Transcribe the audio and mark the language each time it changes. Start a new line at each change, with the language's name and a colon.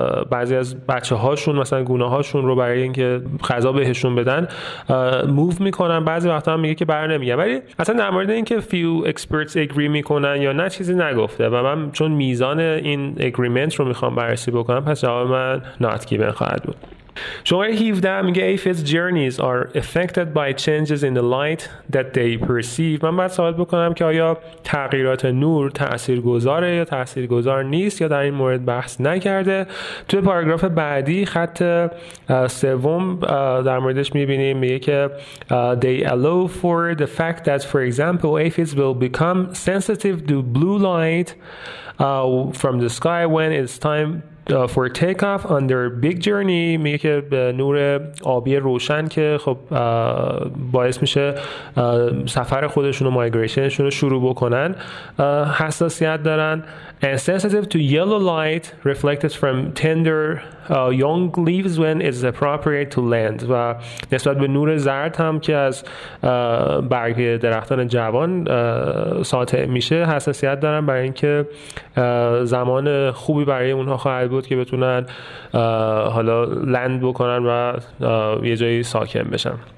Persian: بعضی از بچه هاشون مثلا گونه هاشون رو برای این که غذا بهشون بدن موو میکنن، بعضی وقتا هم میگه که برای نمیگه، ولی اصلا در مورد این که
English: few experts agree
Persian: میکنن یا نه چیزی نگفته و من چون میزان این agreement رو میخوام بررسی بکنم پس جواب من not given خواهد بود. شماره 17 میگه
English: if his journeys are affected by changes in the light that they perceive.
Persian: من باید سوال بکنم که آیا تغییرات نور تاثیرگذاره یا تاثیرگذار نیست یا در این مورد بحث نکرده. توی پاراگراف بعدی خط سوم در موردش میبینیم میگه که
English: they allow for the fact that for example aphids will become sensitive to blue light from the sky when it's time for takeoff on their big journey.
Persian: میگه که نور آبی روشن که خب باعث میشه سفر خودشون و مایگریشنشون رو شروع بکنن حساسیت دارن.
English: And sensitive to yellow light reflected from tender young leaves when it's appropriate to land.
Persian: و نسبت به نور زرد هم که از برگ درختان جوان ساطع میشه حساسیت دارن برای اینکه زمان خوبی برای اونها خواهد بود که بتونن حالا لند بکنن و یه جایی ساکن بشن.